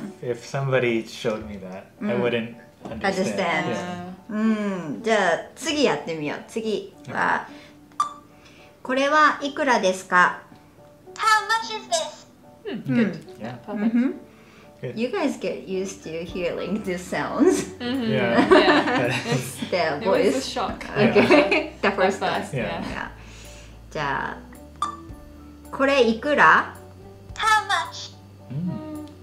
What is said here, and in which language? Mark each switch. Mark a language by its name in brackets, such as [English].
[English] If somebody showed me that, I wouldn't understand. [Japanese] じゃあ次やってみよう。次は、これはいくらですか? [English] How much is this? Good. Yeah. You guys get used to hearing these sounds. Mm-hmm. Yeah. The voice. It was a shock. Okay. The first time. Yeah. [Japanese] じゃあ、これいくら? [English] How much?